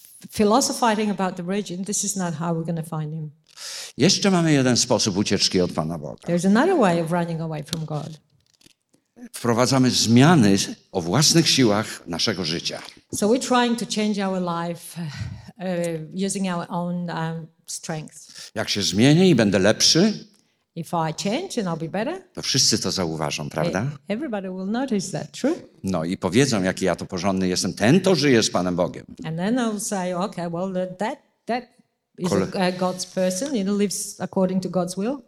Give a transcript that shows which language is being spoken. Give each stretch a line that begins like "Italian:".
English: Philosophizing about the religion, this is not how we're going to find Him.
Polish: Jeszcze mamy jeden sposób ucieczki od Pana Boga.
English: There's another way of running away from God.
Polish: Wprowadzamy zmiany o własnych siłach naszego życia.
English: So we're trying to change our life using our own strength.
Polish: Jak się zmienię i będę lepszy,
English: if I change and I'll be better,
Polish: to wszyscy to zauważą, prawda?
English: Everybody will notice that, true?
Polish: No i powiedzą, jaki ja to porządny jestem, ten to żyje z Panem Bogiem.
English: And then I'll say, okay, well, that is God's person, it lives according to God's will.